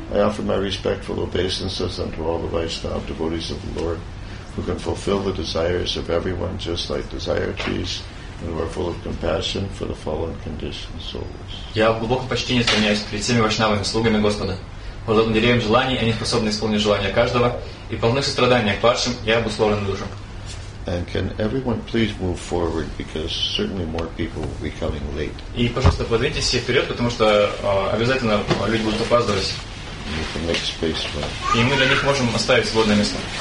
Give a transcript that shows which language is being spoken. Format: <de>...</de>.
<en>I offer my respectful obeisances unto all the Vaishnava devotees of the Lord who can fulfill the desires of everyone just like desire trees and who are full of compassion for the fallen conditioned souls.</en> <ru>Я в глубоком почтении склоняюсь перед всеми вайшнавами, слугами Господа. Подобно деревьям желаний, они способны исполнить желания каждого и полны сострадания к падшим и обусловленным душам.</ru> <en>And can everyone please move forward, because certainly more people will be coming late.</en> <ru>И, пожалуйста, подвиньтесь все вперед, потому что обязательно люди будут опаздывать.</ru> <en>You can make space for them.</en> <ru>И мы для них можем оставить свободное место.</ru>